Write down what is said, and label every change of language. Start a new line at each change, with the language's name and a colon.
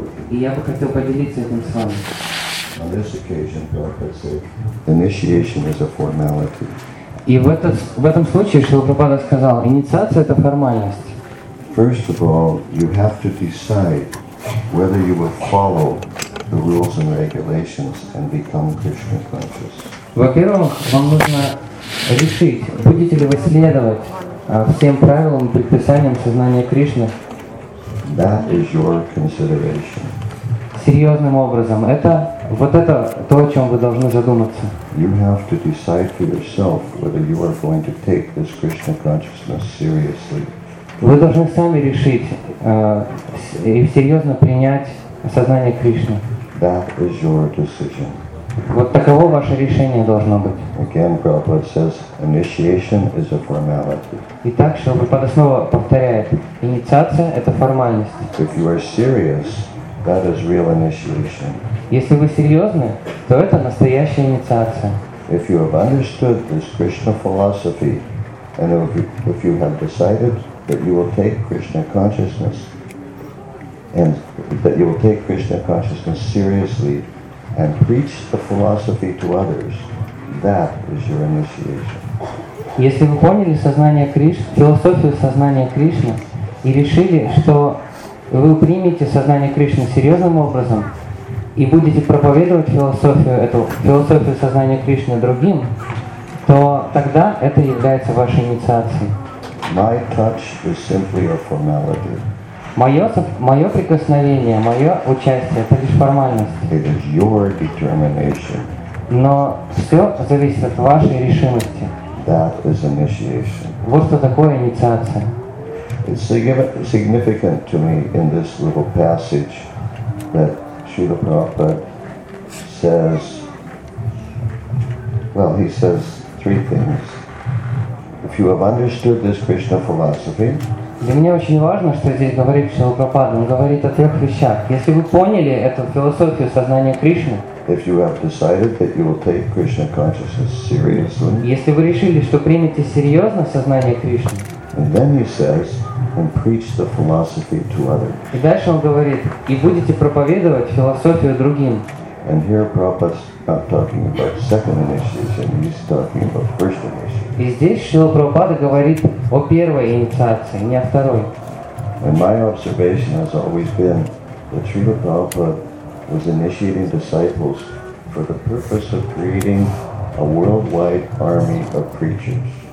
Russian: И я бы хотел поделиться этим с вами.
English: On this occasion, Prabhupada said, initiation is a formality.
Russian: И в этом случае Шрила сказал, инициация — это формальность.
English: First of all, you have to decide whether you will follow the rules and regulations and become Krishna conscious.
Russian: Во-первых, вам нужно решить, будете ли вы следовать всем правилам и предписаниям сознания Кришны.
English: That is your consideration.
Russian: Серьезным образом, это вот это то, о чем вы должны задуматься.
English: You have to decide for yourself whether you are going to take this Krishna consciousness seriously.
Russian: Вы должны сами решить и серьезно принять сознание Кришны.
English: That is your decision.
Russian: Вот таково ваше решение должно быть.
English: Again, Prabhupada says, initiation is a formality.
Russian: Итак, Шрила снова повторяет, инициация — это формальность.
English: If you are serious, that is real initiation.
Russian: Если вы серьезны, то это настоящая инициация.
English: If you have understood this Krishna philosophy, and if you have decided that you will take Krishna consciousness and that you will take Krishna consciousness seriously and preach the philosophy to others, that is your initiation.
Russian: Если вы поняли сознание Кришны, философию сознания Кришны и решили, что вы примете сознание Кришны серьезным образом и будете проповедовать философию сознания Кришны другим, то тогда это является вашей инициацией.
English: My touch is simply a formality.
Russian: Мое прикосновение, мое участие — это лишь формальность.
English: It is your determination.
Russian: Но все зависит от вашей решимости.
English: That is initiation.
Russian: Вот что такое инициация.
English: It's significant to me in this little passage that Srila Prabhupada says, well, he says three things. If you have understood this Krishna philosophy,
Russian: для меня очень важно, что здесь говорит Шрила Прабхупада. Он говорит о трех вещах. Если вы поняли эту философию сознания Кришны,
English: if you have decided that you will take Krishna consciousness seriously,
Russian: если вы решили, что примете серьезно сознание Кришны,
English: and then he says, and preach the philosophy to others.
Russian: И дальше он говорит, и будете проповедовать философию другим.
English: And here Prabhupada's not talking about second initiation, he's talking about first initiation.
Russian: И здесь Шрила Прабхупада говорит о первой инициации, не о второй.
English: And my observation has always been that Srila Prabhupada was initiating disciples for the purpose of creating a worldwide army of preachers.